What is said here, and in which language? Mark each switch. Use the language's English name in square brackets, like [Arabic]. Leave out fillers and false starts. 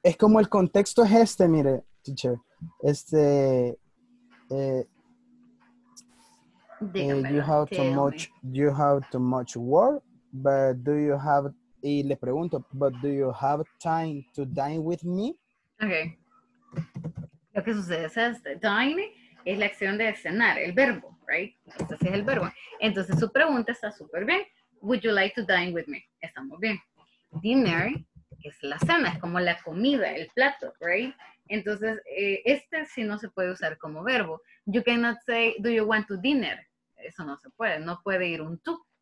[Spanish] Es como el contexto es este, mire, teacher. Este. [English] You have too much work, but do you have? [Spanish] Y le pregunto, [English] but do you have time to dine with me? [Spanish] Okay. Lo que sucede es este. Dine es la acción de cenar, el verbo, right? Entonces es el verbo. Entonces su pregunta está súper bien. [English] Would you like to dine with me? [Spanish] Estamos bien. Dinner es la cena, es como la comida, el plato, right? Entonces, este sí no se puede usar como verbo. [English] You cannot say, do you want to dinner? [Spanish] Eso no se puede, no puede ir un tú.